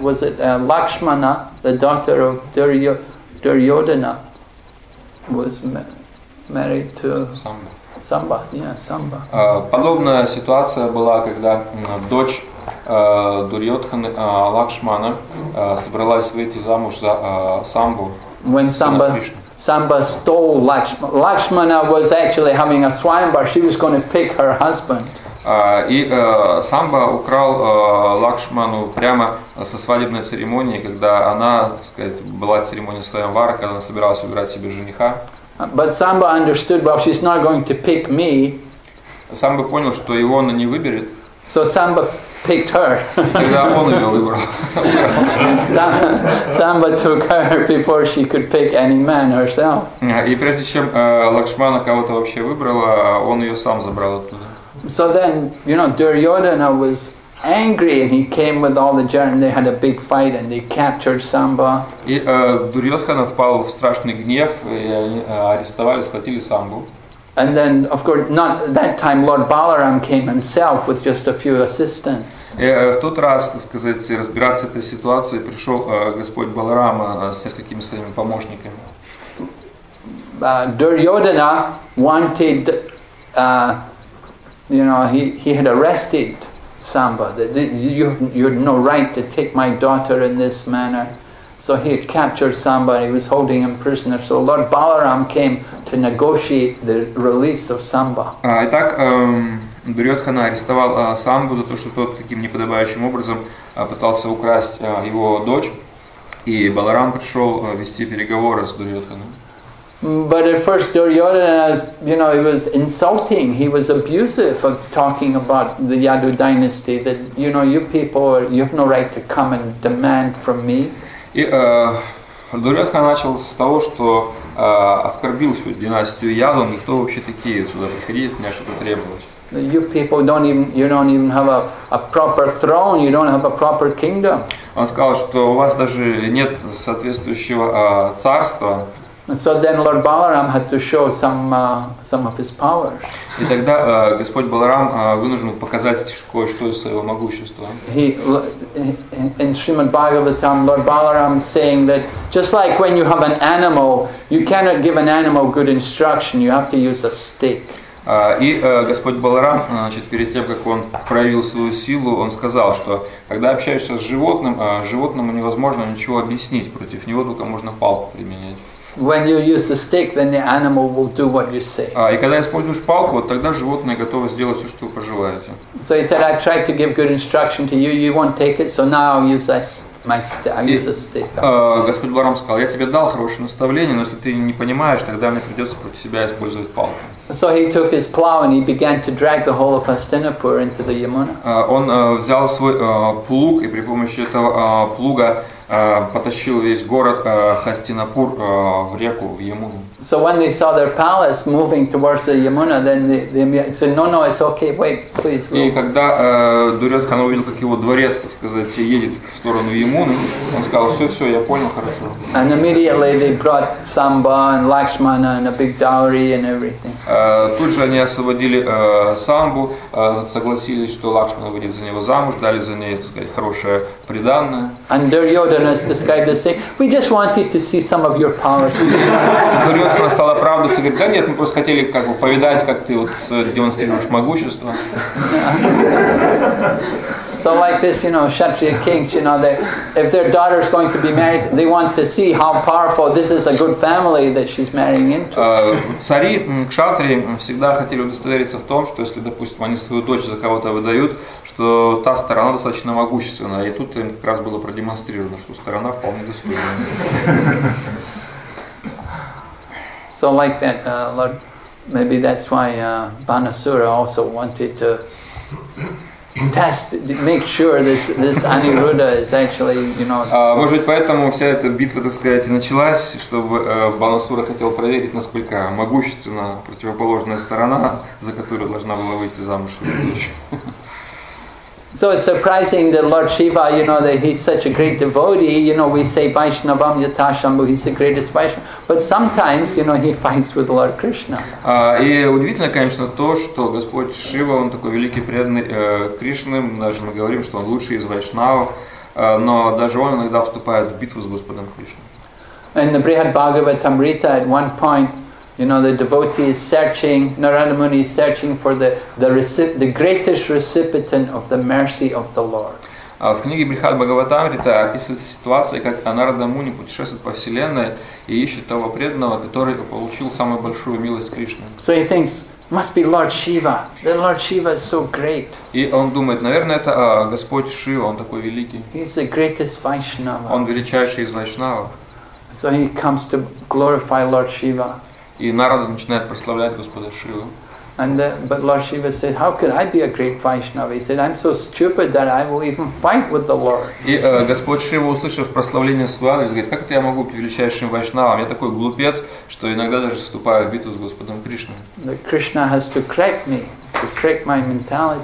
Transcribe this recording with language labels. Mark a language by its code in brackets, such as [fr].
[en] Was it Lakshmana, the daughter of Duryodhana, was married to Samba? Samba, yeah, Samba. [ru] Подобная ситуация была, когда дочь Дурьодханы, Лакшмана, собралась выйти замуж за Самбу. [en] When Samba stole Lakshmana. Lakshmana was actually having a swayambar. She was going to pick her husband. [ru] Самба украл Лакшману прямо со свадебной церемонии, когда она, так сказать, была церемония свайамвара, когда она собиралась выбирать себе жениха. [en] But Samba understood, well, she's not going to pick me. [ru] Самба понял, что его она не выберет. [en] So Samba picked her. [ru] Тогда он ее выбрал. [en] Samba took her before she could pick any man herself. [ru] И прежде чем Лакшмана кого-то вообще выбрала, он ее сам забрал оттуда. [en] So then, you know, Duryodhana was angry, and he came with all the jar, and they had a big fight, and they captured Samba. [ru] И Дурьодхана впал в страшный гнев, и они арестовали, схватили Самбу. [en] And then, of course, not that time, Lord Balaram came himself with just a few assistants. [ru] В тот раз, так сказать, разбираться этой ситуацией пришел Господь Баларама с несколькими своими помощниками. [en] Duryodhana wanted. You know, he had arrested Samba. You had no right to take my daughter in this manner. So he had captured Samba and he was holding him prisoner. So Lord Balaram came to negotiate the release of Samba. [ru] Итак, Дурьодхана арестовал Самбу за то, что тот каким неподобающим образом пытался украсть его дочь. И Баларам пришел вести переговоры с Дурьодханой. [en] But at first Duryodhana, you know, he was insulting, he was abusive of talking about the Yadu dynasty, that, you know, you people, you have no right to come and demand from me. [ru] И Дурьодхана начал с того, что оскорбил всю династию Яду, ну кто вообще такие сюда приходить, от меня что-то требовалось. [en] You people don't even have a proper throne, you don't have a proper kingdom. [ru] Он сказал, что у вас даже нет соответствующего царства. [en] And so then Lord Balaram had to show some of his powers. [ru] И тогда Господь Баларам вынужден показать кое-что из своего могущества. [en] In Srimad Bhagavatam, Lord Balaram is saying that just like when you have an animal, you cannot give an animal good instruction, you have to use a stick. [ru] И Господь Баларам, значит, перед тем, как он проявил свою силу, он сказал, что когда общаешься с животным, животному невозможно ничего объяснить, против него только можно палку применять. [en] When you use the stick, then the animal will do what you say. [ru] И когда используешь палку, вот тогда животное готово сделать все, что вы пожелаете. [en] So he said, I've tried to give good instruction to you, you won't take it, so now I'll use a stick. [ru] Господь Баларам сказал, я тебе дал хорошее наставление, но если ты не понимаешь, тогда мне придется против себя использовать палку. [en] So he took his plow and he began to drag the whole of Hastinapur into the Yamuna. [ru] Он взял свой плуг и при помощи этого плуга потащил весь город Хастинапур в реку, в Ямуну. [en] So when they saw their palace moving towards the Yamuna, then they said, no, it's okay, wait, please. [ru] И когда Дурьодхана увидел, как его дворец, так сказать, едет в сторону Ямуны, он сказал, все, я понял, хорошо. [en] And immediately they brought Samba and Lakshmana and a big dowry and everything. [ru] Тут же они освободили Самбу, согласились, что Лакшмана выйдет за него замуж, дали за ней, так сказать, хорошее приданное. [en] And Duryodhana described as saying, we just wanted to see some of your powers. [ru] Дурьодхана стал оправдываться и говорит, да нет, мы просто хотели как бы повидать, как ты вот демонстрируешь могущество. [en] So So like this, you know, Kshatriya kings, you know, they, if their daughter is going to be married, they want to see how powerful, this is a good family that she's marrying into. [ru] Цари, кшатрии всегда хотели удостовериться в том, что если, допустим, они свою дочь за кого-то выдают, что та сторона достаточно могущественная. И тут им как раз было продемонстрировано, что сторона вполне достойная. [en] So like that, Lord, maybe that's why Banasura also wanted to test, make sure this Aniruddha is actually, you know. [ru] Может быть, поэтому вся эта битва, так сказать, началась, чтобы Банасура хотел проверить, насколько могущественна противоположная сторона, за которую должна была выйти замуж его дочь. [en] So it's surprising that Lord Shiva, you know, that he's such a great devotee. You know, we say [sa] Vaishnavam Yata Shambhu, [en] he's the greatest Vaishnava. But sometimes, you know, he fights with Lord Krishna. [ru] И удивительно, конечно, то, что Господь Шива, он такой великий преданный Кришны. Даже мы говорим, что он лучший из вайшнавов, но даже он иногда вступает в битву с Господом Кришной. [en] In the Brihad Bhagavatamrita, at one point, you know, the devotee is searching, Narada Muni is searching for the greatest recipient of the mercy of the Lord. [ru] В книге Брихад Бхагаватамрита описывается ситуация, как Нарада Муни путешествует по вселенной и ищет того преданного, который получил самую большую милость Кришны. [en] So he thinks, must be Lord Shiva. The Lord Shiva is so great. [ru] И он думает, наверное, это Господь Шива, он такой великий. [en] He's the greatest Vaishnava. [ru] Он величайший из вайшнавов. [en] So he comes to glorify Lord Shiva. [ru] И Нарада начинает прославлять Господа Шиву. [en] But Lord Shiva said, "How could I be a great Vaishnava?" He said, "I'm so stupid that I will even fight with the Lord." [ru] И Господь Шива, услышав прославление свое, говорит, "Как это я могу быть величайшим вайшнавом? Я такой глупец, что иногда даже вступаю в битву с Господом Кришной." [en] The Krishna has to correct me, to correct my mentality.